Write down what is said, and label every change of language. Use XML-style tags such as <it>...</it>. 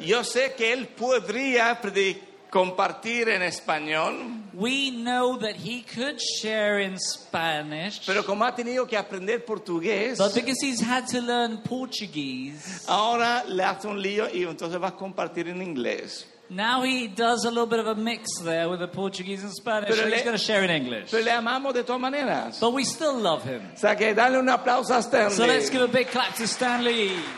<es>Yo sé que él podría compartir en español.</es> <en>We know that he could share in Spanish.</en> <es>Pero como ha tenido que aprender portugués.</es> <en>But because he's had to learn Portuguese.</en> <es>Ahora le hace un lío y entonces va a compartir en inglés.</es> <en>Now he does a little bit of a mix there with the Portuguese and Spanish.</en> <es>Pero</es> <en>he's going to share in English.</en> <es>Pero le amamos de todas maneras.</es> <en>But we still love him.</en> <es>O sea que dale un aplauso a Stanley.</es> <en>So let's give a big clap to Stanley.</en>